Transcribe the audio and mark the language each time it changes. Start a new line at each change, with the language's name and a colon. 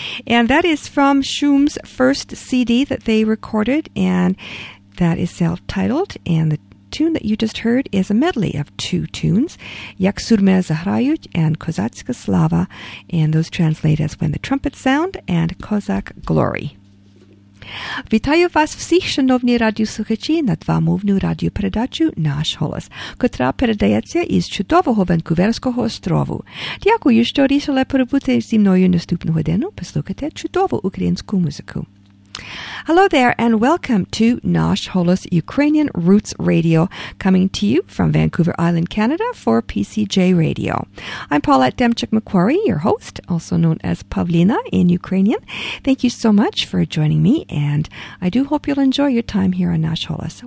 English: And that is from Shum's first CD that they recorded, and that is self-titled, and the tune that you just heard is a medley of two tunes, Yak Surme Zahrayut and Kozatska Slava, and those translate as When the Trumpets Sound and Kozak Glory.
Ukrainian: Вітаю вас всіх, шановні радіослухачі, на двомовну радіопередачу «Наш голос», котра передається із чудового Ванкуверського острову. Дякую, що рішили перебути зі мною наступну годину, послухати чудову українську музику.
English: Hello there, and welcome to Nash Holos Ukrainian Roots Radio, coming to you from Vancouver Island, Canada, for PCJ Radio. I'm Paulette Demchuk-McQuarrie, your host, also known as Pavlina in Ukrainian. Thank you so much for joining me, and I do hope you'll enjoy your time here on Nash Holos.